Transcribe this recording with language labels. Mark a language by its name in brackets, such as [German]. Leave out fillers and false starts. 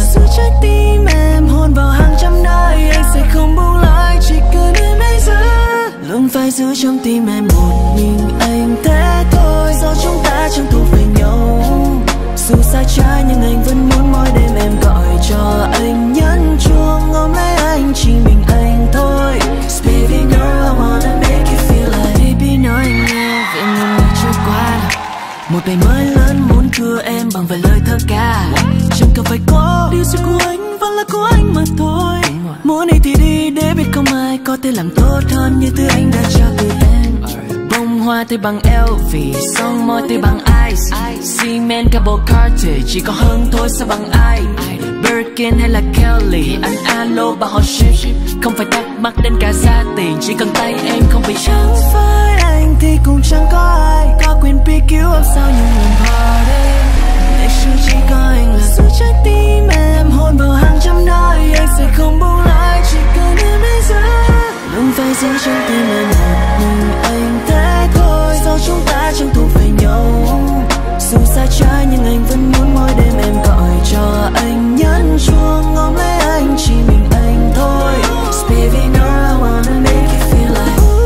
[Vietnamese] giữ trái tim em hôn vào hàng trăm nơi. Anh sẽ không buông lại chỉ cần em bây giờ. Luôn phải giữ trong tim em một mình anh thế thôi. Do chúng ta chẳng thuộc về nhau, dù xa trái nhưng anh vẫn muốn mỗi đêm em gọi cho anh nhấn chuông ôm lấy anh chỉ mình anh thôi. [English] Baby girl, I wanna make you feel like. [Vietnamese] Baby nói anh nghe về những ngày trôi qua. Một ngày mới lớn muốn cưa em bằng vài lời thơ ca. Chẳng cần phải có điều gì của anh vẫn là của anh mà thôi. Muốn đi thì đi để biết không ai có thể làm tốt hơn như thứ anh đã trao từ em. Bông hoa tươi bằng LV, son môi tươi bằng ice, [English] cement cable Carter [Vietnamese] chỉ có hơn thôi sao bằng ai. Birkin hay là Kelly, anh alo và họ ship. Không phải thắc mắc đến cả gia tiền, chỉ cần tay em không bị chẳng phải anh thì cũng chẳng có ai có quyền [English] pick you up [Vietnamese] sau những lần party. Ngày xưa chỉ có anh là giữ trái tim em hôn vào hàng trăm nơi. Anh sẽ không buông lại chỉ cần em bây giờ. Luôn phải giữ trong tim em một mình anh thế thôi. Do chúng ta chẳng thuộc về nhau, dù xa trái nhưng anh vẫn muốn mỗi đêm em gọi cho anh nhấn chuông ngóng lấy anh chỉ mình anh thôi. [English] Baby girl, I wanna make you feel like.